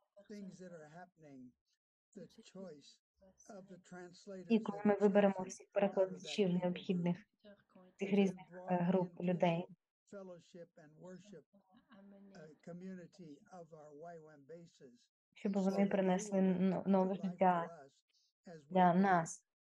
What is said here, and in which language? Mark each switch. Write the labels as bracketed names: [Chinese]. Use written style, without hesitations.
[English] Things that are happening, the choice of the translator. [Ukrainian] І коли ми виберемо всіх перекладачів необхідних тих різних груп людей. [English] Fellowship and worship community of our YWAM bases. [Ukrainian] Щоб вони принесли нове життя для нас.